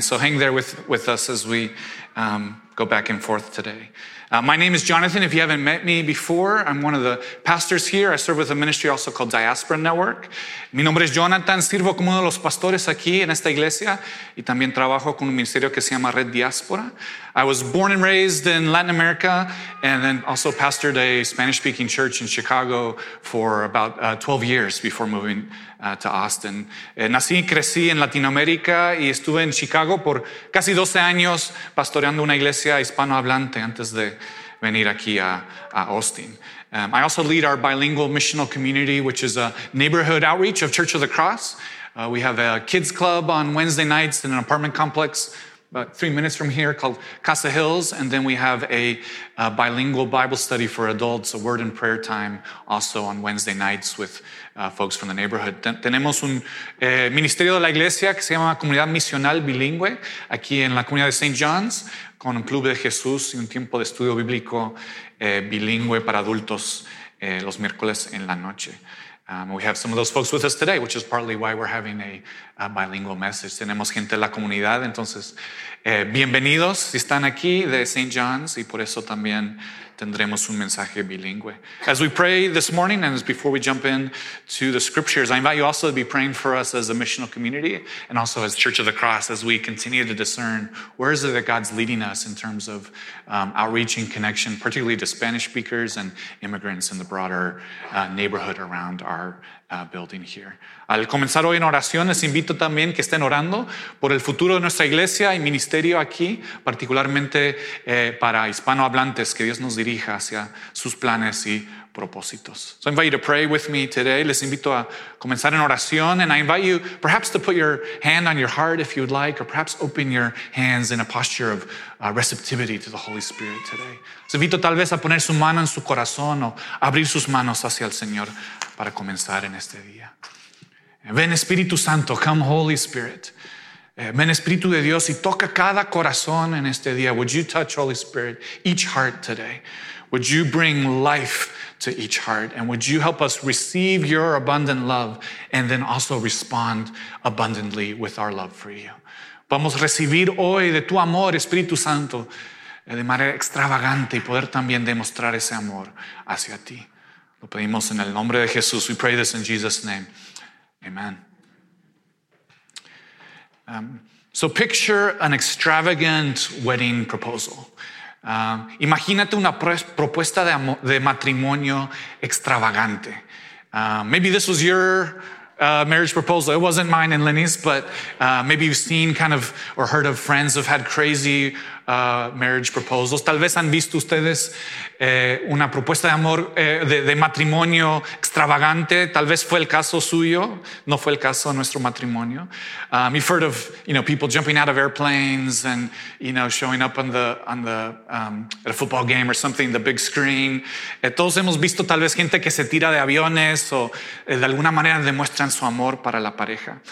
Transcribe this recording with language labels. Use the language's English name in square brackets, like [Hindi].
[English] So hang there with us as we go back and forth today. My name is Jonathan. If you haven't met me before, I'm one of the pastors here. I serve with a ministry also called Diaspora Network. [Spanish] Mi nombre es Jonathan. Sirvo como uno de los pastores aquí en esta iglesia y también trabajo con un ministerio que se llama Red Diaspora. [English] I was born and raised in Latin America and then also pastored a Spanish-speaking church in Chicago for about 12 years before moving to Austin. [Spanish] Nací y crecí en Latinoamérica y estuve en Chicago por casi 12 años pastoreando una iglesia hispanohablante antes de venir aquí a Austin. [English] I also lead our bilingual missional community, which is a neighborhood outreach of Church of the Cross. We have a kids club on Wednesday nights in an apartment complex about 3 minutes from here called Casa Hills. And then we have a bilingual Bible study for adults, a word and prayer time also on Wednesday nights with folks from the neighborhood. [Spanish] Tenemos un ministerio de la iglesia que se llama Comunidad Misional Bilingüe aquí en la comunidad de St. John's, con un club de Jesús y un tiempo de estudio bíblico bilingüe para adultos los miércoles en la noche. [English] We have some of those folks with us today, which is partly why we're having a bilingual message. [Spanish] Tenemos gente de la comunidad, entonces bienvenidos si están aquí de St. John's y por eso también tendremos un mensaje bilingüe. [English] As we pray this morning and before we jump in to the scriptures, I invite you also to be praying for us as a missional community and also as Church of the Cross as we continue to discern where is it that God's leading us in terms of outreach and connection, particularly to Spanish speakers and immigrants in the broader neighborhood around our building here. [Spanish] Al comenzar hoy en oración, les invito también que estén orando por el futuro de nuestra iglesia y ministerio aquí, particularmente para hispanohablantes, que Dios nos dirija hacia sus planes y propósitos. [English] So I invite you to pray with me today. [Spanish] Les invito a comenzar en oración, [English] and I invite you perhaps to put your hand on your heart if you would like, or perhaps open your hands in a posture of receptivity to the Holy Spirit today. [Spanish] Les invito tal vez a poner su mano en su corazón o abrir sus manos hacia el Señor para comenzar en este día. Ven Espíritu Santo, [English] come Holy Spirit. [Spanish] Ven Espíritu de Dios y toca cada corazón en este día. [English] Would you touch Holy Spirit, each heart today? Would you bring life to each heart? And would you help us receive your abundant love and then also respond abundantly with our love for you? [Spanish] Vamos a recibir hoy de tu amor, Espíritu Santo, de manera extravagante y poder también demostrar ese amor hacia ti. Lo pedimos en el nombre de Jesús. [English] We pray this in Jesus' name. [Spanish] Amen. [English] So picture an extravagant wedding proposal. [Spanish] Imagínate una propuesta de matrimonio extravagante. [English] Maybe this was your marriage proposal. It wasn't mine and Lenny's, but maybe you've seen kind of or heard of friends who've had crazy marriage proposals. [Spanish] Tal vez han visto ustedes una propuesta de amor de matrimonio extravagante. Tal vez fue el caso suyo. No fue el caso de nuestro matrimonio. [English] You've heard of, you know, people jumping out of airplanes and, you know, showing up at a football game or something, the big screen. [Spanish] Todos hemos visto tal vez gente que se tira de aviones o de alguna manera demuestran su amor para la pareja.